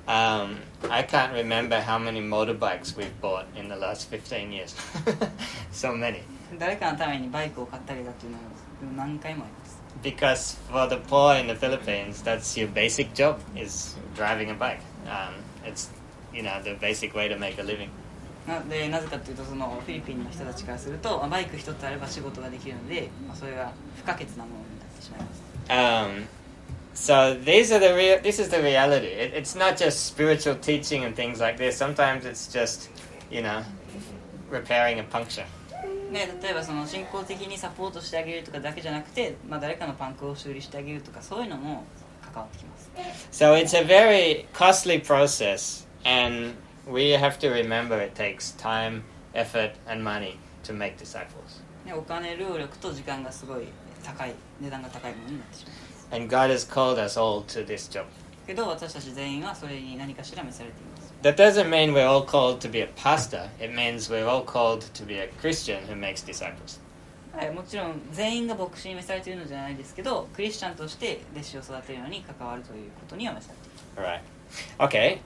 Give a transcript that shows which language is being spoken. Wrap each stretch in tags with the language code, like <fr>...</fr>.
<en>I can't remember how many motorbikes we've bought in the last 15 years. So many.</en> <ja>誰かのためにバイクを買ったりだというのは何回もあります。</ja> <en>Because for the poor in the Philippines, that's your basic job, is driving a bike. It's, you know, the basic way to make a living.</en> <ja>で、なぜかというと、そのフィリピンの人たちからすると、バイク一つあれば仕事ができるので、それは不可欠なものになってしまいます。</ja> <en>So these are the this is the reality. It's not just spiritual teaching and things like this. Sometimes it's just, you know, repairing a puncture.</en> <ja>ね、例えばその信仰的にサポートしてあげるとかだけじゃなくて、まあ誰かのパンクを修理してあげるとかそういうのも関わってきます。</ja> <en>So it's a very costly process, and we have to remember it takes time, effort, and money to make disciples.</en> <ja>ね、お金、労力と時間がすごい高い、値段が高いものになってしまう。</ja> <en>And God has called us all to this job. That doesn't mean we're all called to be a pastor. It means we're all called to be a Christian who makes disciples. Right. Okay.</en>